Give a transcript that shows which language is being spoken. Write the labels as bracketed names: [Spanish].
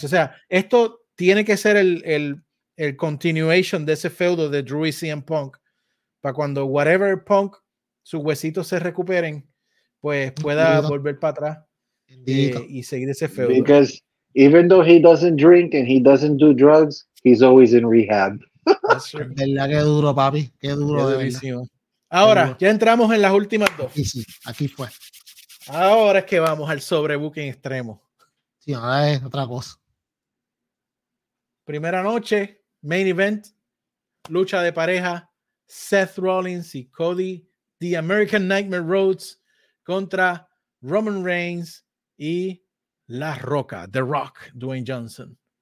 [Spanish] Sí. O sea, esto tiene que ser el continuation de ese feudo de Drew y CM Punk para cuando whatever Punk, sus huesitos se recuperen, pues pueda volver para atrás y seguir ese feudo. [English] Because even though he doesn't drink and he doesn't do drugs, he's always in rehab. [Spanish] Verdad, qué duro, papi. Qué duro, qué de ahora, qué duro. Ya entramos en las últimas dos. Sí, sí, aquí fue. Ahora es que vamos al sobrebooking extremo. Sí, ahora es otra cosa. Primera noche, main event, lucha de pareja, Seth Rollins y Cody, The American Nightmare Rhodes contra Roman Reigns y La Roca, The Rock, Dwayne Johnson.